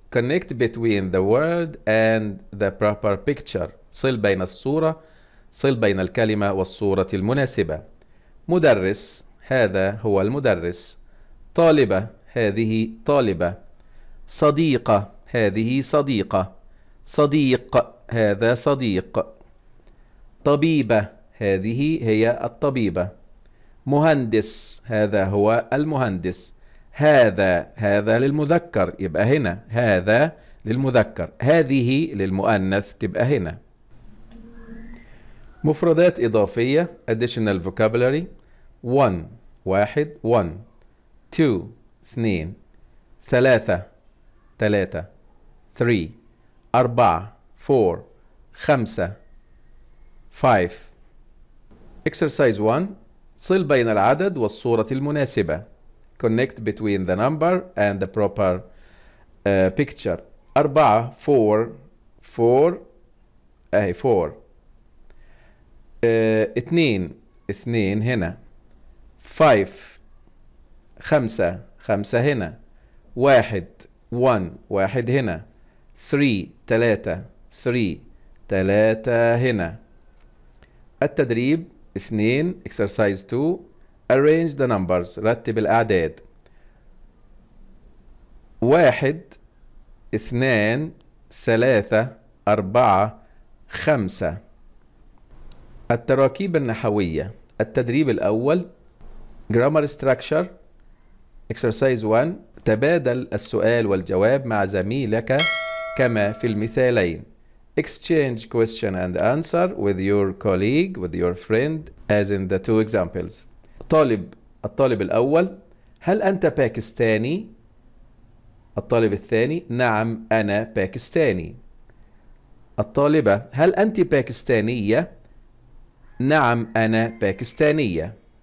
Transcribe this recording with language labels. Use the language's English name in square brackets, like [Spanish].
[English] Connect between the word and the proper picture. [Arabic] صل بين الصورة. صل بين الكلمة والصورة المناسبة. مدرس. هذا هو المدرس. طالبة. هذه طالبة. صديقة. هذه صديقة. صديق. هذا صديق. طبيبة هذه هي الطبيبة. مهندس هذا هو المهندس. هذا للمذكر يبقى هنا. هذا للمذكر. هذه للمؤنث تبقى هنا. مفردات إضافية [English] additional vocabulary. one [Arabic] واحد [English] one two [Arabic] اثنين ثلاثة ثلاثة [English] three [Arabic] أربعة [English] four [Arabic] خمسة [English] five. Exercise one. [Arabic] صل بين العدد والصورة المناسبة. [English] Connect between the number and the proper picture. [Arabic] أربعة [English] four four [Arabic] أي [English] four. [Arabic] اثنين اثنين هنا. [English] five [Arabic] خمسة خمسة هنا. واحد [English] one [Arabic] واحد هنا. [English] three [Arabic] ثلاثة three ثلاثة هنا. التدريب [English] 2 exercise 2 arrange the numbers [Arabic] رتب الأعداد. 1 2 3 4 5. التراكيب النحوية. التدريب الأول [English] grammar structure exercise 1. [Arabic] تبادل السؤال والجواب مع زميلك كما في المثالين. [English] Exchange question and answer with your colleague, with your friend, as in the two examples. [Arabic] طالب الطالب الأول هل أنت باكستاني؟ الطالب الثاني نعم أنا باكستاني. الطالبة هل أنت باكستانية؟ نعم أنا باكستانية.